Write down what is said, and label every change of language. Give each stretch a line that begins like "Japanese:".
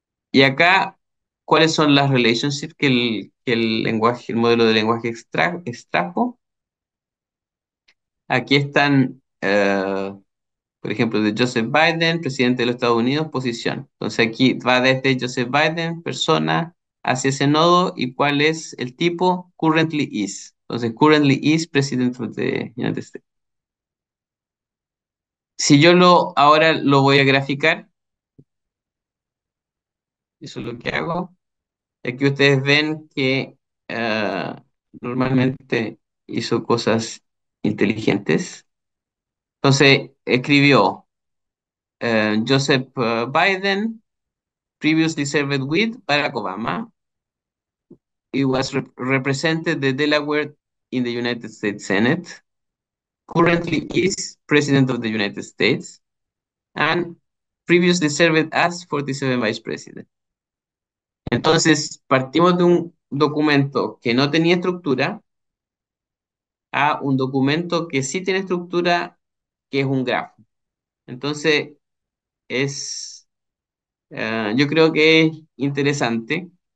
Spanish: Y acá, ¿cuáles son las relationships que el modelo de lenguaje extrajo? Aquí están. Por ejemplo, de Joseph Biden, presidente de los Estados Unidos, posición. Entonces aquí va desde Joseph Biden, persona, hacia ese nodo y cuál es el tipo,
English: currently is. Entonces, currently is president of the United States.
Spanish: Si yo ahora lo voy a graficar, eso es lo que hago. Aquí ustedes ven que normalmente hizo cosas inteligentes. Entonces, escribió
English: Joseph Biden, previously served with Barack Obama. He was represented the Delaware in the United States Senate. Currently is president of the United States. And Previously served as 47 Vice President.
Spanish: Entonces, partimos de un documento que no tenía estructura a un documento que sí tiene estructura, que es un grafo. Entonces, yo creo que es interesante.